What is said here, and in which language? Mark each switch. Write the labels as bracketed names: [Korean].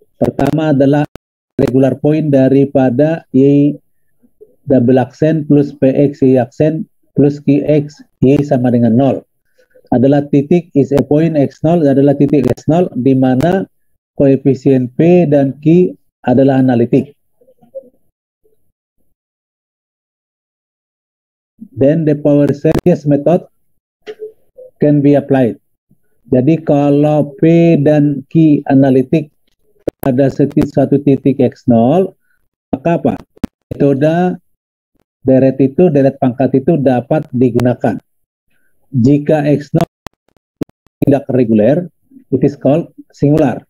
[Indonesian] Pertama adalah regular point daripada Y double aksen plus PX Y aksen plus QX Y sama dengan 0. Adalah titik [English] is a point [Indonesian] x0 adalah titik x0 di mana koefisien p dan q adalah analitik. [English] Then the power series method can be applied. [Indonesian] Jadi kalau p dan q analitik pada setiap satu titik x0, maka apa? Metode deret itu, deret pangkat itu dapat digunakan. Jika x0 tidak reguler, [English] it is called singular.